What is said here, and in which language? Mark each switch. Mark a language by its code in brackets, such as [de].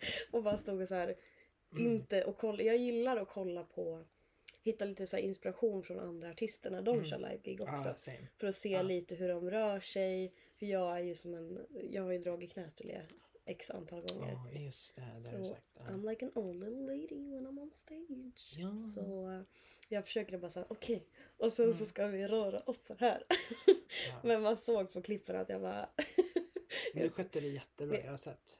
[sv] Och bara stod och så här, inte och kolla. Jag gillar att kolla på, hitta lite så här inspiration från andra artister när de kör live-gig också. För att se lite hur de rör sig. För jag är ju som en, jag har ju dragit knät till er x antal gånger. [en] I'm like an old little lady when I'm on stage. [sv] Så jag försöker bara säga okej. Och sen så ska vi röra oss här. Men man såg på klippen att jag bara... Men du skötte det jättebra, jag har sett.